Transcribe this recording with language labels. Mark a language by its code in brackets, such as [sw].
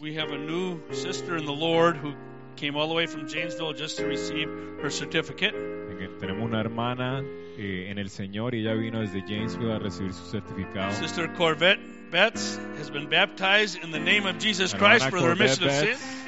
[en] We have a new sister in the Lord who came all the way from Janesville just to receive her certificate. [es] Tenemos una hermana en el Señor, y ella vino desde Janesville a recibir su certificado. [en] Sister Corvette Betts has been baptized in the name of Jesus Christ for the remission of sins.